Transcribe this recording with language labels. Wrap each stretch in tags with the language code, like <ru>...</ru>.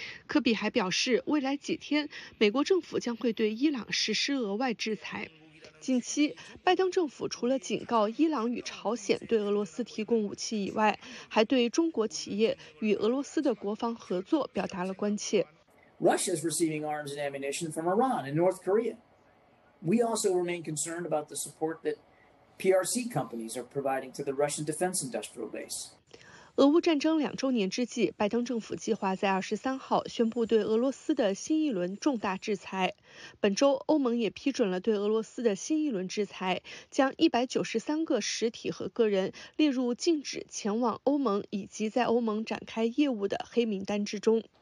<zh>科比还表示，未来几天美国政府将会对伊朗实施额外制裁。近期，拜登政府除了警告伊朗与朝鲜对俄罗斯提供武器以外，还对中国企业与俄罗斯的国防合作表达了关切。</zh> <en>Russia is receiving arms and ammunition from Iran and North Korea. We also remain concerned about the support that PRC companies are providing to the Russian defense industrial base.</en> <zh>俄乌战争两周年之际，拜登政府计划在23号宣布对俄罗斯的新一轮重大制裁。本周，欧盟也批准了对俄罗斯的新一轮制裁，将193个实体和个人列入禁止前往欧盟以及在欧盟展开业务的黑名单之中。</zh>